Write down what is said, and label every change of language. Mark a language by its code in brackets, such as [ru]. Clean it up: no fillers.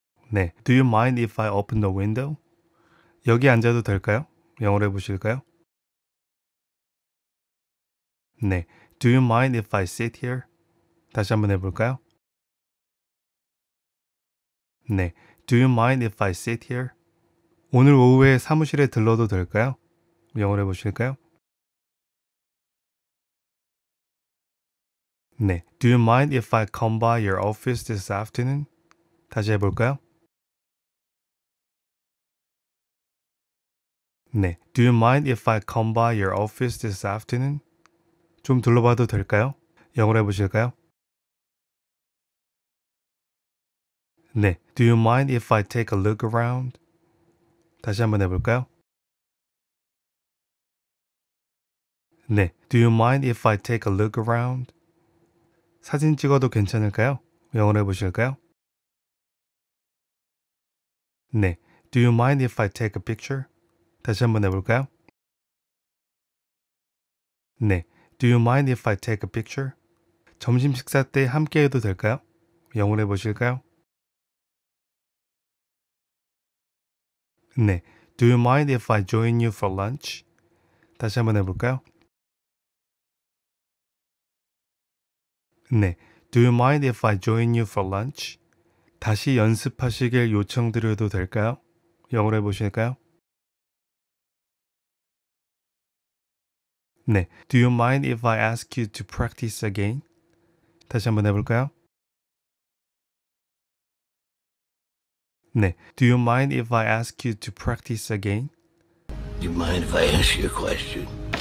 [en] 네, Do you mind if I open the window? [ko] 여기 앉아도 될까요? 영어로 해보실까요? [en] 네, Do you mind if I sit here? [ko] 다시 한번 해볼까요? [en] 네, Do you mind if I sit here? [ko] 오늘 오후에 사무실에 들러도 될까요? 영어로 해보실까요? [en] 네, Do you mind if I come by your office this afternoon? [ko] 다시 해볼까요? [en] 네, Do you mind if I come by your office this afternoon? [ko] 좀 둘러봐도 될까요? 영어로 해보실까요? [en] 네, Do you mind if I take a look around? [ko] 다시 한번 해볼까요? [en] 네, Do you mind if I take a look around? [ko] 사진 찍어도 괜찮을까요? 영어로 해보실까요? [en] 네, Do you mind if I take a picture? [ko] 다시 한번 해볼까요? [en] 네, Do you mind if I take a picture? [ko] 점심 식사 때 함께 해도 될까요? 영어로 해보실까요? [en] 네, Do you mind if I join you for lunch? [ko] 다시 한번 해볼까요? [en] 네, Do you mind if I join you for lunch? [ko] 다시 연습하시길 요청드려도 될까요? 영어로 해보실까요? [en] 네, Do you mind if I ask you to practice again? [ko] 다시 한번 해볼까요? [en] 네, Do you mind if I ask you to practice again? Do you mind if I ask you a question?